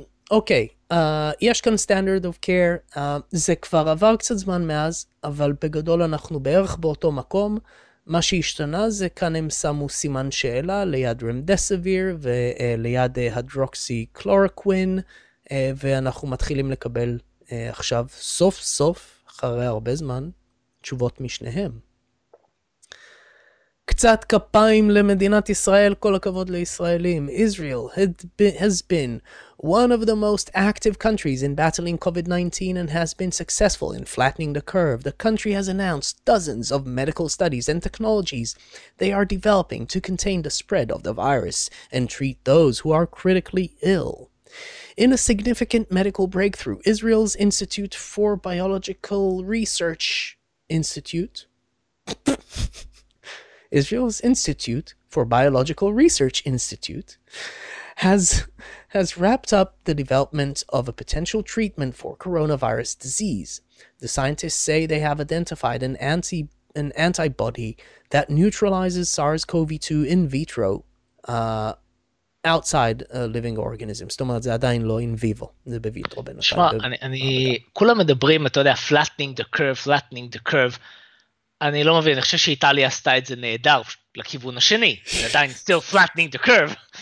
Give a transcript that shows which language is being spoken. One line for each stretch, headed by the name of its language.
Hebrew: אוקיי, יש כאן standard of care, זה כבר עבר קצת זמן מאז, אבל בגדול אנחנו בערך באותו מקום, מה שהשתנה זה כאן הם שמו סימן שאלה ליד רמדסיביר וליד הדרוקסי קלורקווין, ואנחנו מתחילים לקבל עכשיו סוף סוף, אחרי הרבה זמן, תשובות משניהם. קצת כפיים למדינת ישראל, כל הכבוד לישראלים.
English: Israel has been one of the most active countries in battling COVID-19 and has been successful in flattening the curve. The country has announced dozens of medical studies and technologies they are developing to contain the spread of the virus and treat those who are critically ill. In a significant medical breakthrough, Israel's Institute for Biological Research Institute... Israel's Institute for Biological Research Institute has wrapped up the development of a potential treatment for coronavirus disease. The scientists say they have identified an antibody that neutralizes SARS-CoV-2 in vitro outside living organisms.
Hebrew: זאת אומרת, זה עדיין לא in vivo. זה בויטרו בינתיים. שמע, אני כולם מדברים, אתה יודע,
English: flattening the curve.
Hebrew: אני לא מבין, אני חושב שאיטליה עשתה את זה נהדר לכיוון השני, זה עדיין
English: still flattening the curve.